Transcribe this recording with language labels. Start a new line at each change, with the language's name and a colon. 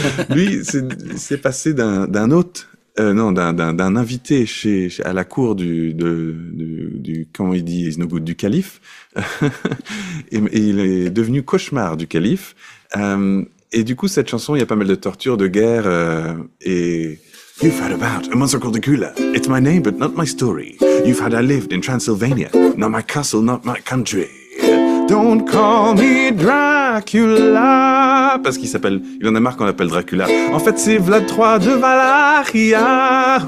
French: Lui, c'est passé d'un hôte, non, d'un invité à la cour du comment il dit, Iznogoud, du calife. Et il est devenu cauchemar du calife. Et du coup, cette chanson, il y a pas mal de tortures, de guerres, et.
English: You've heard about a monster called Dracula. It's my name, but not my story. You've heard I lived in Transylvania. Not my castle, not my country. Don't call me Dracula.
French: Parce qu'il s'appelle. Il en a marre qu'on l'appelle Dracula. En fait, c'est Vlad III de Valachia.